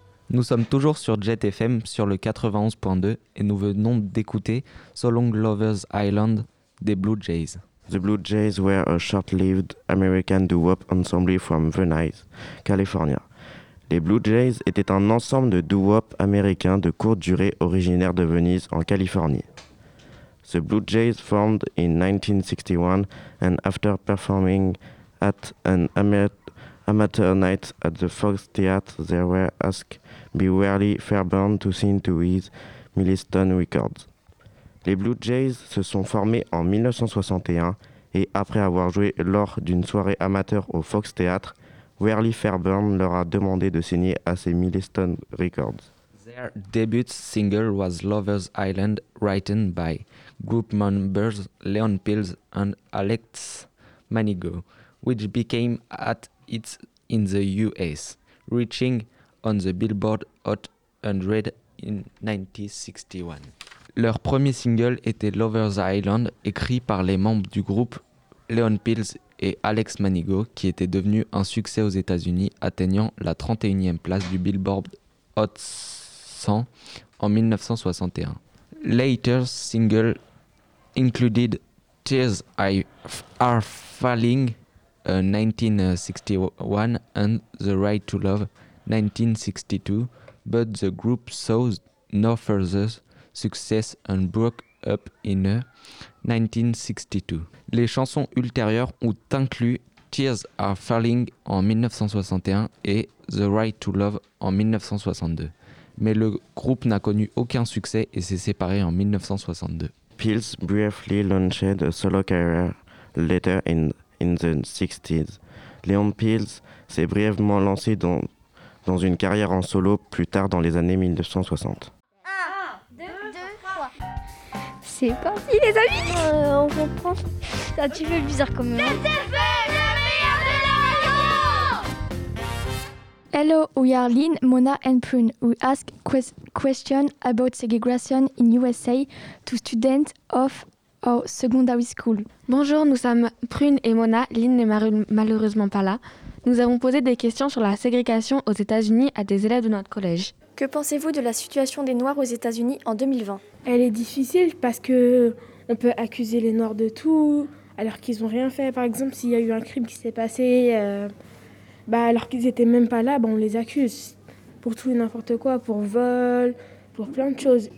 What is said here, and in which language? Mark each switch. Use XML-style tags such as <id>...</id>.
<fr>Nous sommes toujours sur Jet FM sur le 91.2 et nous venons d'écouter So Long Lover's Island des Blue Jays.</fr> <en>The Blue Jays were a short-lived American doo-wop ensemble from Venice, California.</en> <fr>Les Blue Jays étaient un ensemble de doo-wop américains de courte durée originaire de Venise en Californie.</fr> <en>The Blue Jays formed in 1961 and after performing at an amateur night at the Fox Theatre, they were asked by Wally Fairbairn to sing to his Millstone Records.</en> <fr>Les Blue Jays se sont formés en 1961 et après avoir joué lors d'une soirée amateur au Fox Theatre, Wally Fairbairn leur a demandé de signer à ses Millstone Records.</fr> <en>Their debut single was Lover's Island, written by group members Leon Pills and Alex Manigo, which became at its in the US, reaching on the Billboard Hot 100 in 1961.</en> <fr>Leur premier single était Lover's Island, écrit par les membres du groupe Leon Pills et Alex Manigo, qui était devenu un succès aux États-Unis, atteignant la 31e place du Billboard Hot 100 en 1961.</fr> <en>Later singles included Tears Are Falling, 1961, and The Right to Love, 1962, but the group saw no further success and broke up in 1962.</en> <fr>Les chansons ultérieures ont inclus Tears Are Falling en 1961 et The Right to Love en 1962. Mais le groupe n'a connu aucun succès et s'est séparé en 1962.</fr> <en>Pills briefly launched a solo career later in the 60s.</en> <fr>Leon Pills s'est brièvement lancé dans une carrière en solo plus tard dans les années 1960. C'est parti les amis. On comprend. C'est un petit peu bizarre comme. J'ai fait la meilleure de la radio.</fr> <en>Hello, we are Lynn, Mona and Prune. We ask question about segregation in USA to students of our secondary school.</en> <fr>Bonjour, nous sommes Prune et Mona. Lynn n'est malheureusement pas là. Nous avons posé des questions sur la ségrégation aux États-Unis à des élèves de notre collège. Que pensez-vous de la situation des Noirs aux États-Unis en 2020 ? Elle est difficile parce que on peut accuser les Noirs de tout alors qu'ils n'ont rien fait. Par exemple, s'il y a eu un crime qui s'est passé, alors qu'ils n'étaient même pas là, on les accuse pour tout et n'importe quoi, pour vol, pour plein de choses.</fr>